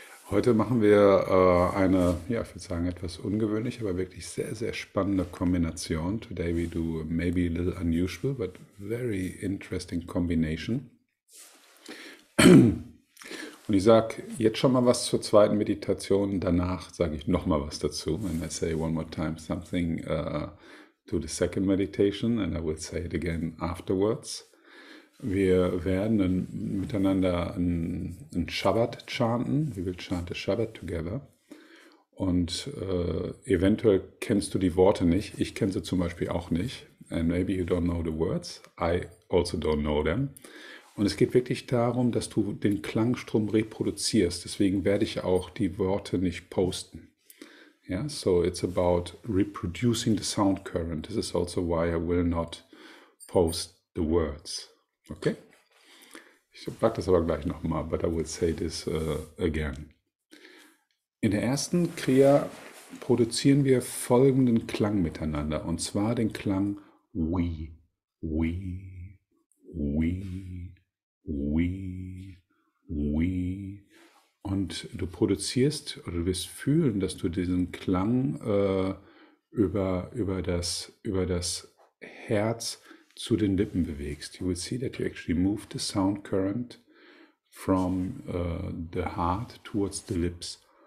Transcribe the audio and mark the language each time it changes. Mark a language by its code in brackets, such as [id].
[de] Heute machen wir eine, ja, ich würde sagen, etwas ungewöhnliche, aber wirklich sehr, sehr spannende Kombination. [en] Today we do maybe a little unusual, but very interesting combination. [de] Und ich sage jetzt schon mal was zur zweiten Meditation, danach sage ich noch mal was dazu. [en] And I say one more time something to the second meditation and I will say it again afterwards. [de] Wir werden miteinander einen Shabbat chanten. [en] We will chant the Shabbat together. [de] Und eventuell kennst du die Worte nicht. Ich kenne sie zum Beispiel auch nicht. [en] And maybe you don't know the words. I also don't know them. [de] Und es geht wirklich darum, dass du den Klangstrom reproduzierst. Deswegen werde ich auch die Worte nicht posten. [en] Ja, yeah? So it's about reproducing the sound current. This is also why I will not post the words. [de] Okay? Ich sage das aber gleich nochmal, [en] but I will say this again. [de] In der ersten Kriya produzieren wir folgenden Klang miteinander. Und zwar den Klang wi, wi, wi. Wie, wie. Und du produzierst oder du wirst fühlen, dass du diesen Klang über das Herz zu den Lippen bewegst. [en] You will see that you actually move the sound current from the heart towards the lips.